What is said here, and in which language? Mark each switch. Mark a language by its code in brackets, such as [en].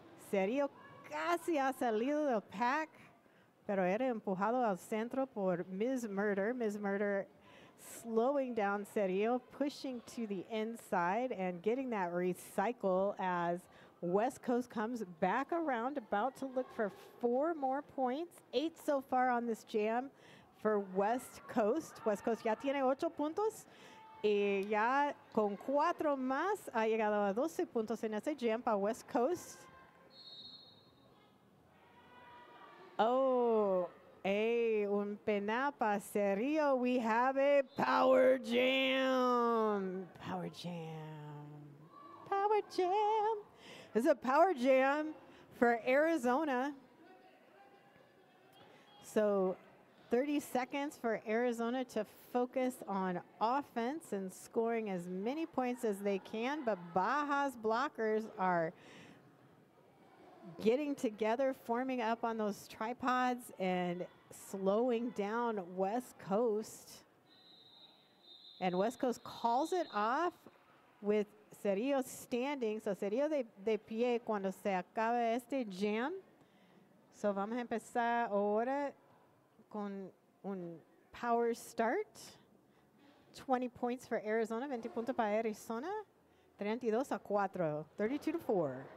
[es] Serio casi ha salido del pack, pero era empujado al centro por Ms. [en] Murder. Ms. Murder slowing down Serio, pushing to the inside and getting that recycle as West Coast comes back around, about to look for 4 more points. 8 so far on this jam. For West Coast, [es] West Coast ya tiene 8 puntos y ya con 4 más ha llegado a 12 puntos en ese jam para West Coast. Un penal para Serio. [en] We have a power jam. Power jam. Power jam. This is a power jam for Arizona. So 30 seconds for Arizona to focus on offense and scoring as many points as they can. But Baja's blockers are getting together, forming up on those tripods and slowing down West Coast. And West Coast calls it off with Cerillo standing. [es] So Cerillo de pie cuando se acaba este jam. So vamos a empezar ahora con un power start. [en] 20 points for Arizona, [es] 20 puntos para Arizona, 32 a 4, [en] 32 to 4.